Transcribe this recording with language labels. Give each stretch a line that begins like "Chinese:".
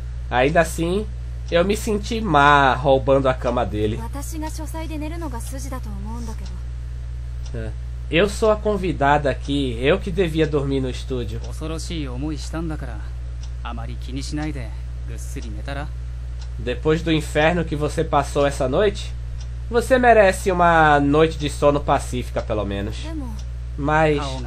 Portuguese: Ainda assim, eu me senti má roubando a cama dele.
Japanese: 私が書斎で寝るのが筋だと思うんだけど。
Portuguese: Eu sou a convidada aqui, eu que devia dormir no estúdio.
Japanese: 恐ろしい思いしたんだから、あまり気にしないでぐっすり寝たら。
Portuguese: Depois do inferno que você passou essa noite, você merece uma noite de sono pacífica, pelo menos. Mas...